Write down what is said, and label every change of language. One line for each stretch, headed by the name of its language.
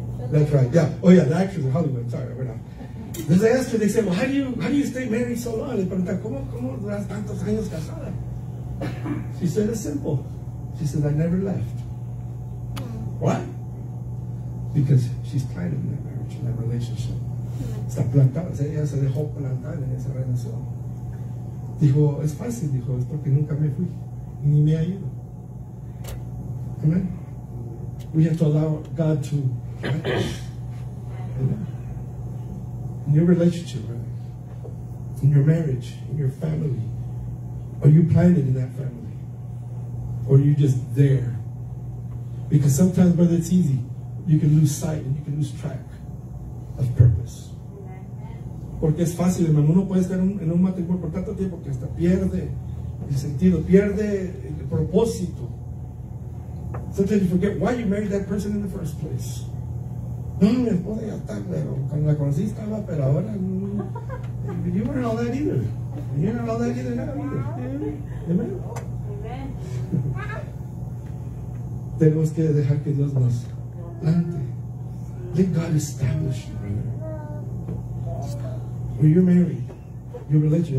English: That's right, yeah. Oh yeah, the actors in Hollywood, sorry, we're not. Entonces they asked her, they said, well, how do you stay married so long?
Spanish: Le pregunta, ¿cómo duras tantos años casada?
English: She said, it's simple. She said, I never left. Why? Because she's tied in that marriage, in that relationship.
Spanish: Está plantada, ella se dejó plantar en esa relación. Dijo, es fácil, dijo, es porque nunca me fui, ni me ha ido. Amen.
English: We have to allow God to in your relationship, right? In your marriage, in your family, are you planted in that family? Or are you just there? Because sometimes, brother, it's easy. You can lose sight and you can lose track of purpose.
Spanish: Porque es fácil, hermano. Uno puede estar en un matrimonio por tanto tiempo que hasta pierde el sentido, pierde el propósito.
English: Sometimes you forget why you married that person in the first place.
Spanish: No, mi esposa ya está, pero cuando la conocí estaba, pero ahora no.
English: You weren't all that either. You weren't all that either now either.
Spanish: Amen. Amen. Tenemos que dejar que Dios nos plante.
English: Let God establish you, brother. When you're married, your relationship.